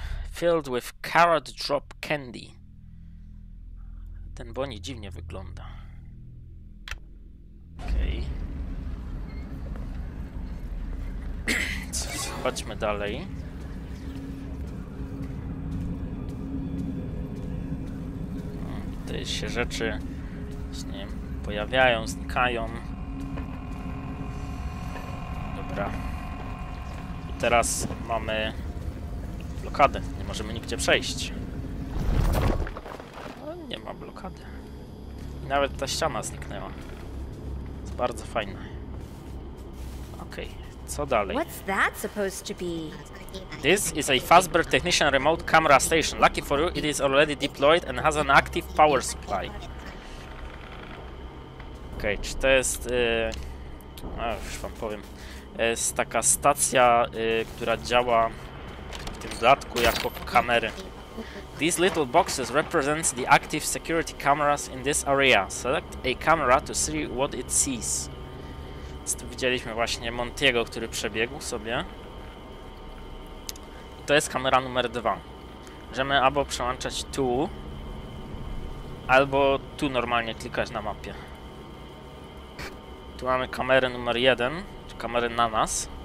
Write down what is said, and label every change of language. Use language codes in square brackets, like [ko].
[en] Filled with carrot drop candy. [pl] Ten Bonnie dziwnie wygląda. Okej. Okay. Chodźmy dalej. Tutaj się rzeczy właśnie pojawiają, znikają. Dobra. I teraz mamy blokadę. Nie możemy nigdzie przejść. No, nie ma blokady. I nawet ta ściana zniknęła. To jest bardzo fajne. Okej, okay, co dalej? [en] What's that supposed to be? This is a Fazbear Technician Remote Camera Station. Lucky for you, it is already deployed and has an active power supply. [pl] Okej, okay, czy to jest... już wam powiem. Jest taka stacja, która działa w tym dodatku jako kamery. [en] These little boxes represent the active security cameras in this area. Select a camera to see what it sees. [pl] Więc tu widzieliśmy właśnie Montiego, który przebiegł sobie. To jest kamera numer 2. Możemy albo przełączać tu, albo tu normalnie klikać na mapie. Tu mamy kamerę numer 1, czy kamerę na nas.